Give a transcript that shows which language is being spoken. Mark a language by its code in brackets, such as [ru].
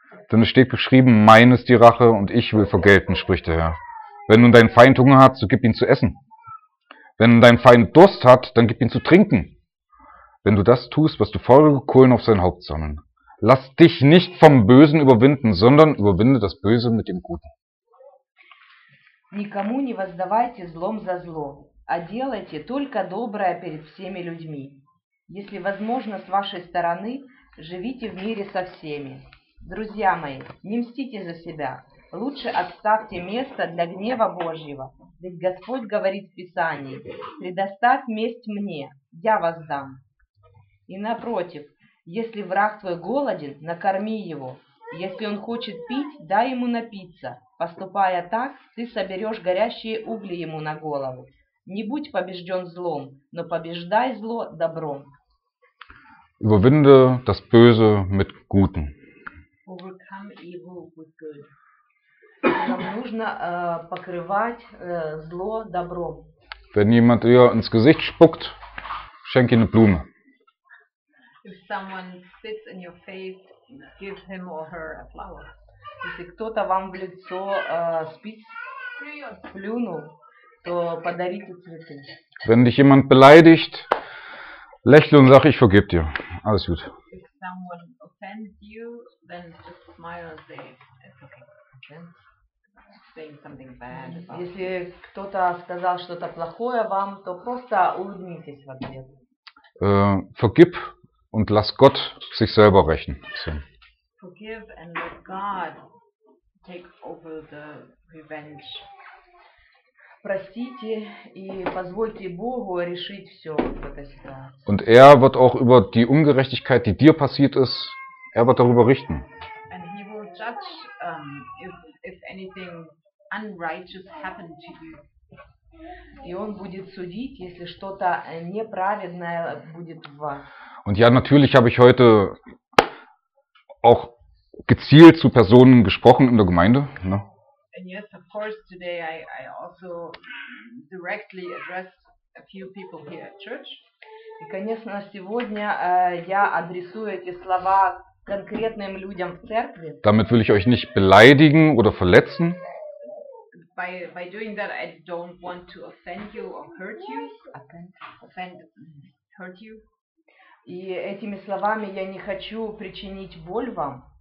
[de] Denn es steht geschrieben, mein ist die Rache und ich will vergelten, spricht der Herr. Wenn nun dein Feind Hunger hat, so gib ihm zu essen. Wenn dein Feind Durst hat, dann gib ihm zu trinken. Wenn du das tust, wirst du feurige Kohlen auf sein Haupt sammeln. Lass dich nicht vom Bösen überwinden, sondern überwinde das Böse mit dem Guten. [ru] Никому не воздавайте злом за зло, а делайте только доброе перед всеми людьми. Если возможно с вашей стороны, живите в мире со всеми. Друзья мои, не мстите за себя. Лучше отставьте место для гнева Божьего. Ведь Господь говорит в Писании, предоставь месть мне, я воздам. И напротив, если враг твой голоден, накорми его. Если он хочет пить, дай ему напиться. Поступая так, ты соберешь горящие угли ему на голову. Не будь побежден злом, но побеждай зло добром. [de] Überwinde das Böse mit Guten. [en] Overcome evil with good. [ru] Нам нужно покрывать зло добром. [de] Wenn jemand dir ins Gesicht spuckt, schenk ihm eine Blume. [en] If someone spits in your face, give him or her a flower. [ru] Если кто-то вам в лицо спит, плюну, то подарите цветы. [de] Wenn dich jemand beleidigt, lächle und sag, ich vergib dir. Alles gut. [en] If someone offends you, then just smile and say, it's okay. Saying something bad about you. [ru] Если кто-то сказал что-то плохое вам, то просто улыбнитесь в ответ. [de] Vergib. Und lass Gott sich selber rächen. So. [en] Forgive and let God take over the revenge. [ru] Простите и позвольте Богу решить все в этой ситуации. [de] Und er wird auch über die Ungerechtigkeit, die dir passiert ist, er wird darüber richten. [en] And he will judge if anything unrighteous happened to you. [ru] И он будет судить, если что-то неправедное будет в вас. [de] Und ja, natürlich habe ich heute auch gezielt zu Personen gesprochen in der Gemeinde. Ne? [en] And yes, of course, today I also directly addressed a few people here at church. [ru] И, конечно, сегодня я адресую эти слова конкретным людям в церкви. [de] Damit will ich euch nicht beleidigen oder verletzen. [en] By doing that, I don't want to offend you or hurt you. Offend. Hurt you. [ru] И этими словами я не хочу причинить боль вам.